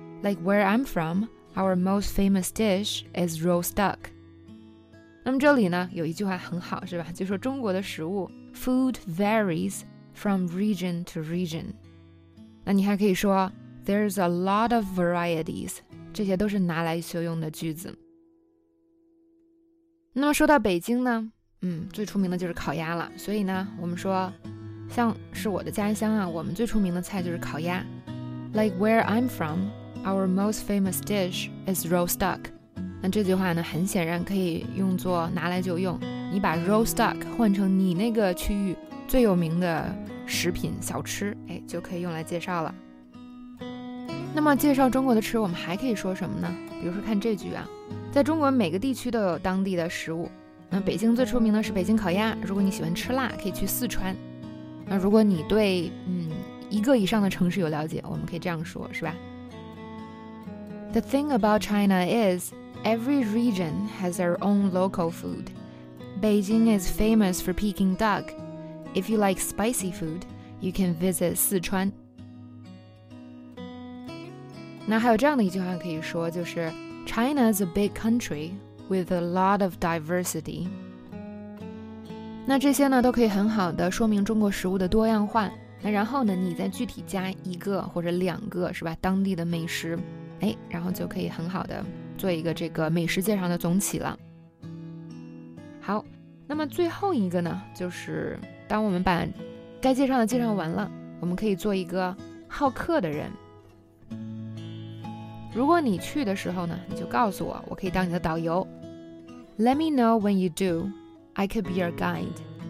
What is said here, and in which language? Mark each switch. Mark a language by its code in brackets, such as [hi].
[en] Like where I'm from, our most famous dish is roast duck. [zh] 那么这里呢，有一句话很好，是吧？就说中国的食物 [en] ,food varies from region to region. [zh] 那你还可以说 [en] ,there's a lot of varieties. [zh] 这些都是拿来修用的句子。那么说到北京呢，最出名的就是烤鸭了。所以呢，我们说像是我的家乡啊，我们最出名的菜就是烤鸭。 [en] Like where I'm from, our most famous dish is roast duck. [zh] 那这句话呢，很显然可以用作拿来就用，你把 [en] roast duck [zh] 换成你那个区域最有名的食品小吃，哎，就可以用来介绍了。那么介绍中国的吃，我们还可以说什么呢？比如说看这句啊，在中国每个地区都有当地的食物。那北京最出名的是北京烤鸭，如果你喜欢吃辣，可以去四川。那如果你对一个以上的城市有了解，我们可以这样说，是吧？ [en] The thing about China is every region has their own local food. Beijing is famous for Peking duck. If you like spicy food, you can visit 四川。 [zh] 那还有这样的一句话可以说，就是 [en] China is a big country with a lot of diversity。 [zh] 那这些呢，都可以很好的说明中国食物的多样化。那然后呢，你再具体加一个或者两个，是吧？当地的美食，哎，然后就可以很好的做一个这个美食介绍的总体了。好，那么最后一个呢，就是当我们把该介绍的介绍完了，我们可以做一个好客的人。如果你去的时候呢，你就告诉我，我可以当你的导游。 [en] Let me know when you do, I could be your guide.